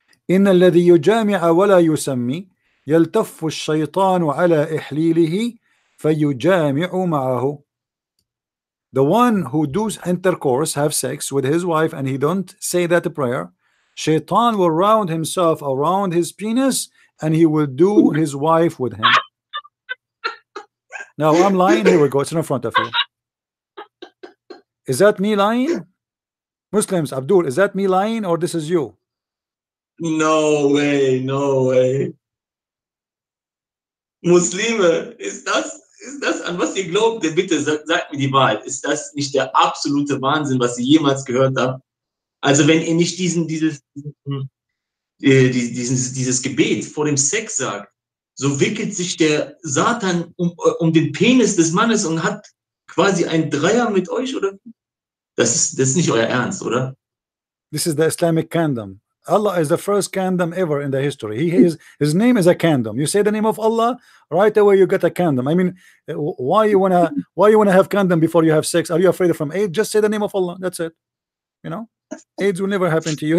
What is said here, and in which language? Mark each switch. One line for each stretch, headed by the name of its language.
Arabic: إن الذي يجامع ولا يسمي يلتف الشيطان على إحليله فيجامع معه.
English: The one who does intercourse, have sex with his wife, and he don't say that prayer, Shaitan will round himself around his penis, and he will do his wife with him. Now, I'm lying. Here we go. It's in front of you. Is that me lying? Muslims, Abdul, is that me lying, or this is you? No way. No way. Muslim, is that...
German: Ist das, an was ihr glaubt, denn bitte sagt mir die Wahrheit, ist das nicht der absolute Wahnsinn, was ich jemals gehört habe? Also wenn ihr nicht dieses Gebet vor dem Sex sagt, so wickelt sich der Satan um den Penis des Mannes und hat quasi einen Dreier mit euch, oder? Das ist nicht euer Ernst, oder?
English: This is the Islamic kingdom. Allah is the first kingdom ever in the history. His name is a kingdom. You say the name of Allah, right away you get a kingdom. I mean, why you wanna have kingdom before you have sex? Are you afraid of AIDS? Just say the name of Allah. That's it. You know, AIDS will never happen to you.